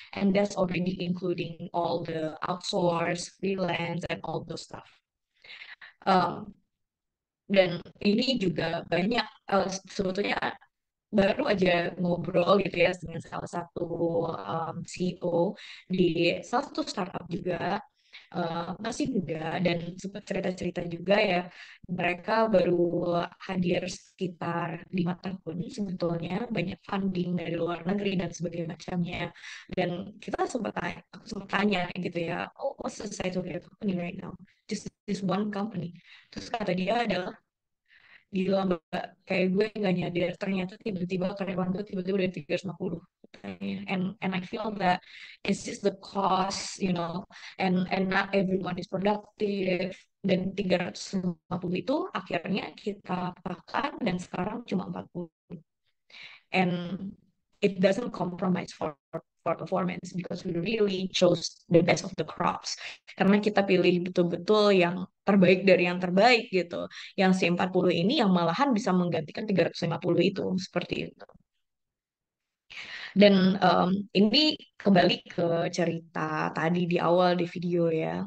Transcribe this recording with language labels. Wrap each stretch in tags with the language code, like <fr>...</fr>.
<en>And that's already including all the outsource, freelance, and all those stuff.</en> <id>Dan ini juga banyak, sebetulnya baru aja ngobrol gitu ya dengan salah satu CEO di salah satu startup juga, masih muda, dan sempat cerita-cerita juga ya, mereka baru hadir sekitar 5 tahun sebetulnya, banyak funding dari luar negeri dan sebagainya macamnya. Dan kita sempat tanya, aku sempat tanya gitu ya, oh,</id> <en>what's the size of your company right now? Just this one company.</en> <id>Terus kata dia adalah, gila mbak, kayak gue gak nyadar, ternyata tiba-tiba karyawan gue tiba-tiba udah 350.</id> <en>And I feel that it's just the cost, you know, and not everyone is productive.</en> <id>Dan 350 itu akhirnya kita pakan dan sekarang cuma 40.</id> <en>And it doesn't compromise for performance because we really chose the best of the crops.</en> <id>Karena kita pilih betul-betul yang terbaik dari yang terbaik gitu. Yang C40 ini yang malahan bisa menggantikan 350 itu, seperti itu. Dan ini kembali ke cerita tadi di awal di video ya.</id>